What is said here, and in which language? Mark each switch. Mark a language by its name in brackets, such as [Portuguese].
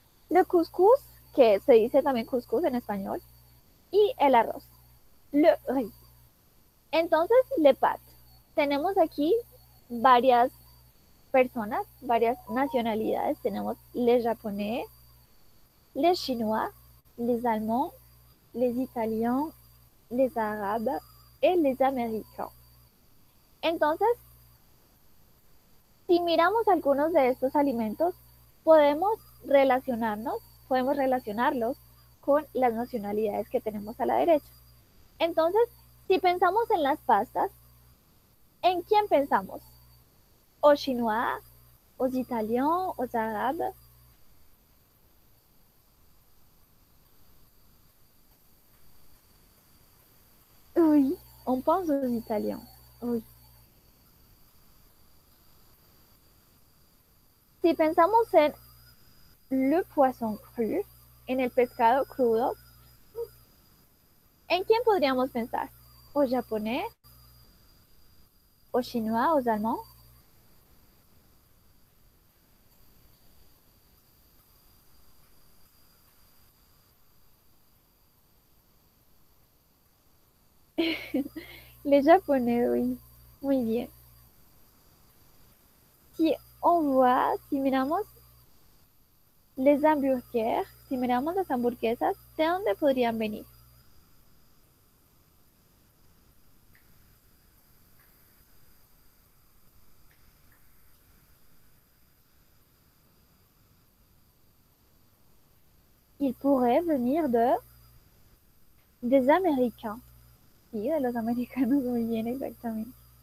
[French] Le couscous, [Spanish] que se dice también couscous en español. Y el arroz. [French] Le riz. [Spanish] Entonces, [French] les pâtes. [Spanish] Tenemos aquí varias personas, varias nacionalidades. Tenemos [French] les japonais, les chinois, les allemands, les italiens, les arabes et les américains. [Spanish] Entonces, si miramos algunos de estos alimentos, podemos relacionarlos con las nacionalidades que tenemos a la derecha. Entonces, si pensamos en las pastas, ¿en quién pensamos? [French] ¿O chinois, o italien, o arabe? Oui, on pense aux Italiens. Oui. [Spanish] Si pensamos en [French] le poisson cru, [Spanish] en el pescado crudo, ¿en quién podríamos pensar? ¿O japonés? ¿O [French] chinois, o allemands? Les japonais, oui. [Spanish] Muy bien. [French] Si on voit, [Spanish] si miramos [French] les hamburgers, [Spanish] si miramos las hamburguesas, ¿de dónde podrían venir? [French] Il pourrait venir de des Américains. [Spanish] Sí, de los americanos, muy bien, exactamente.